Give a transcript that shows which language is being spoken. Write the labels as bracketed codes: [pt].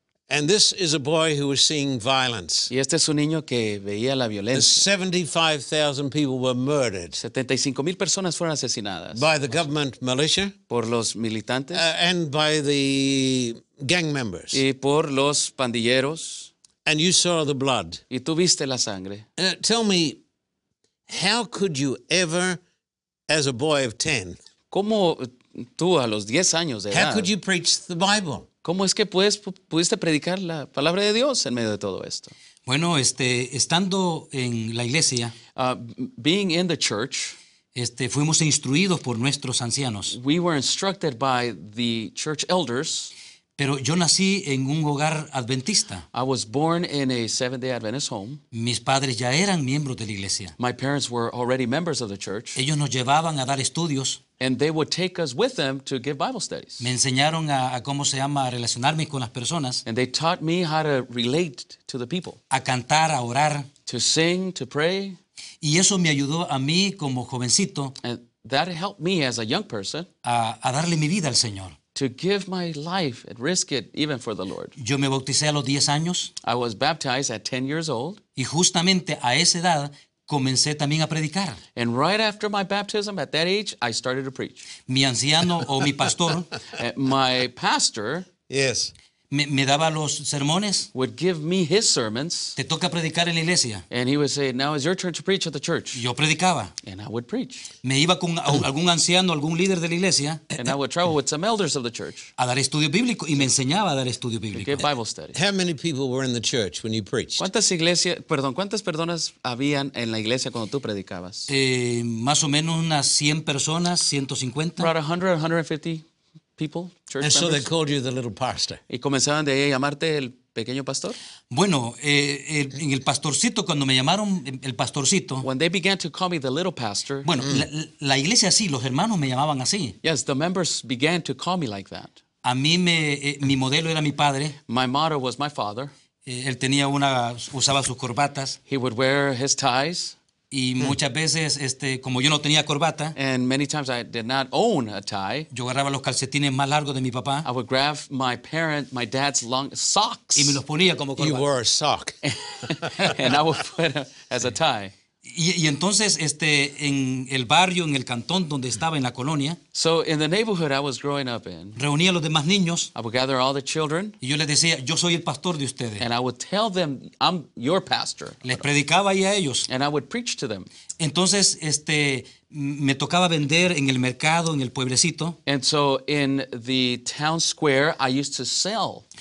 [en] And this is a boy who was seeing violence. [es] Y este es un niño que veía la violencia. [en] 75,000 people were murdered. [es] 75,000 personas fueron asesinadas. [en] By the government militia. [es] Por los militantes. [en] And by the gang members. [es] Y por los pandilleros. [en] And you saw the blood. [es] Y tú viste la sangre. [en] Tell me, how could you ever, as a boy of 10, [es] ¿cómo tú a los 10 años de edad, [en] how could you preach the Bible? [es] ¿Cómo es que pudiste predicar la palabra de Dios en medio de todo esto? Bueno, estando en la iglesia, [en] being in the church, [es] fuimos instruidos por nuestros ancianos. [en] We were instructed by the church elders. [es] Pero yo nací en un hogar adventista. [en] I was born in a Seventh-day Adventist home. [es] Mis padres ya eran miembros de la iglesia. [en] My parents were already members of the church. [es] Ellos nos llevaban a dar estudios. [en] And they would take us with them to give Bible studies. [es] Me enseñaron a cómo se llama a relacionarme con las personas. [en] And they taught me how to relate to the people. [es] A cantar, a orar. [en] To sing, to pray. [es] Y eso me ayudó a mí como jovencito. [en] And that helped me as a young person. [es] A darle mi vida al Señor. [en] To give my life and risk it even for the Lord. [es] Yo me bauticé a los 10 años. [en] I was baptized at 10 years old. [es] Y justamente a esa edad comencé también a predicar. [en] And right after my baptism, at that age, I started to preach. [es] Mi anciano o mi pastor. [en] My pastor. Yes. [es] Me daba los sermones. [en] Would give me his sermons. [es] Te toca predicar en la iglesia. [en] And he would say, now it's your turn to preach at the church. [es] Yo predicaba. [en] And I would preach. [es] Me iba con algún anciano, algún líder de la iglesia. [en] And I would travel with some elders of the church. [es] A dar estudio bíblico. Y me enseñaba a dar estudio bíblico. [en] To give Bible studies. How many people were in the church when you preached? [es] ¿Cuántas personas habían en la iglesia cuando tú predicabas? Más o menos unas 100 personas, 150. [en] About 100, 150 people, church and So they called you the little pastor. [es] ¿Y comenzaban de ahí a llamarte el pequeño pastor? Bueno, en el pastorcito, cuando me llamaron el pastorcito. [en] When they began to call me the little pastor. [es] Bueno, la iglesia sí, los hermanos me llamaban así. [en] Yes, the members began to call me like that. [es] A mí, mi modelo era mi padre. [en] My motto was my father. [es] Él usaba sus corbatas. [en] He would wear his ties. [es] Y muchas veces, como yo no tenía corbata, [en] and many times I did not own a tie, [es] yo agarraba los calcetines más largos de mi papá, [en] I would grab my dad's long socks, [es] y me los ponía como corbata. [en] You wore a sock. And I would put them as a tie. [es] Y entonces, en el barrio, en el cantón donde estaba, en la colonia, [en] so in the neighborhood I was growing up in, [es] reunía a los demás niños, [en] I would gather all the children, [es] y yo les decía, yo soy el pastor de ustedes. [en] And I would tell them, I'm your pastor. [es] Les predicaba ahí a ellos. [en] And I would preach to them. [es] Entonces, me tocaba vender en el mercado, en el pueblecito. [en] And so in the town square, I used to sell.